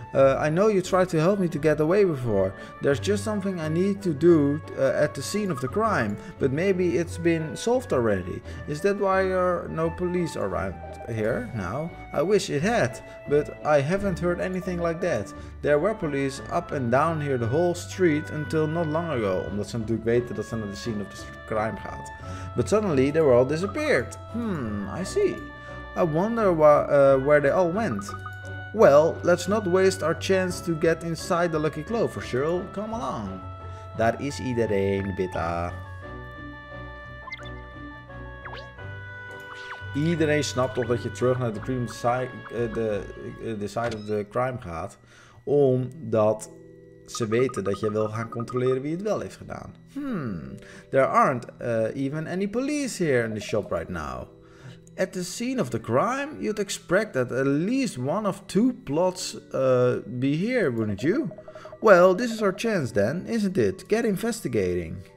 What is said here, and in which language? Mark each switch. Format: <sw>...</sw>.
<en>I know you tried to help me to get away before. There's just something I need to do at the scene of the crime. But maybe it's been solved already. Is that why there are no police around here now? I wish it had, but I haven't heard anything like that. There were police up and down here the whole street until not long ago.</en> <nl>Omdat ze natuurlijk weten dat ze naar de</nl> <en>scene of the crime</en> <nl>gaat.</nl> <en>But suddenly they were all disappeared. I see. I wonder where they all went. Well, let's not waste our chance to get inside the Lucky Clover, Cheryl. Come along.</en> <nl>Daar is iedereen, Bitta. Iedereen snapt toch dat je terug naar de</nl> <en>crime side of the crime</en> <nl>gaat. Omdat ze weten dat je wil gaan controleren wie het wel heeft gedaan.</nl> <en>There aren't even any police here in the shop right now. At the scene of the crime, you'd expect that at least one of two plots be here, wouldn't you? Well, this is our chance then, isn't it? Get investigating.</en>